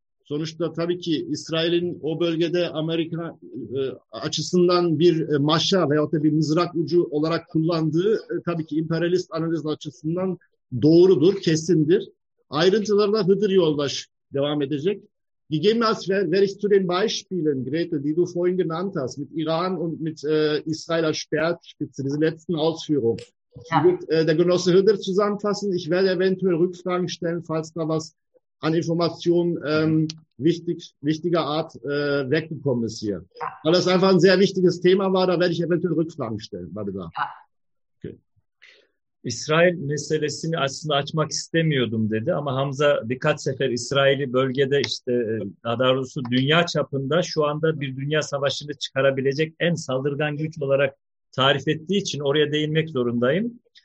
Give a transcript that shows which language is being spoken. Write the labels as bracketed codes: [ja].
[tr] Sonuçta tabii ki İsrail'in o bölgede Amerika açısından bir maşa veyahut da bir mızrak ucu olarak kullandığı tabii ki emperyalist analiz açısından doğrudur, kesindir. Ayrıntılarına Hıdır Yoldaş devam edecek. [de] Die Gegenmaßnahmen, wer ich zu den Beispielen, Grete, die du vorhin genannt hast, mit Iran und mit Israel als Speerspitze, diese letzten Ausführungen, ja. Wird der Genosse Hüder zusammenfassen. Ich werde eventuell Rückfragen stellen, falls da was an Informationen wichtiger Art weggekommen ist hier. Ja. Weil das einfach ein sehr wichtiges Thema war, da werde ich eventuell Rückfragen stellen. Warte da. Ja. [tr] İsrail meselesini aslında açmak istemiyordum dedi ama Hamza birkaç sefer İsrail'i bölgede işte daha doğrusu dünya çapında şu anda bir dünya savaşını çıkarabilecek en saldırgan güç olarak tarif ettiği için oraya değinmek zorundayım.